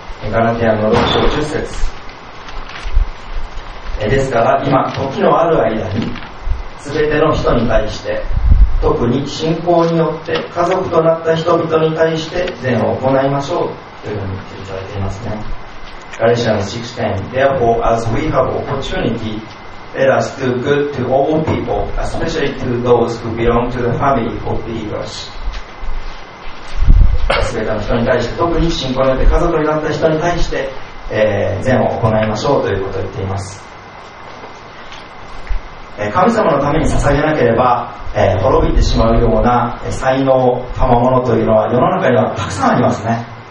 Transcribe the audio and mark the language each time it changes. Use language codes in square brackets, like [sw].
[ja] ガラテアの6章10節。ですから今時のある間に全ての人に対して、特に信仰によって家族となった人々に対して善を行いましょうというふうに言っていただいていますね。 [en] Galatians 6:10. Therefore, as we have opportunity, let us do good to all people, especially to those who belong to the family of believers. [ja] 全ての人に対して、特に信仰によって家族になった人に対して、善を行いましょうということを言っています。神様のために捧げなければ、滅びてしまうような才能、賜物というのは世の中にはたくさんありますね。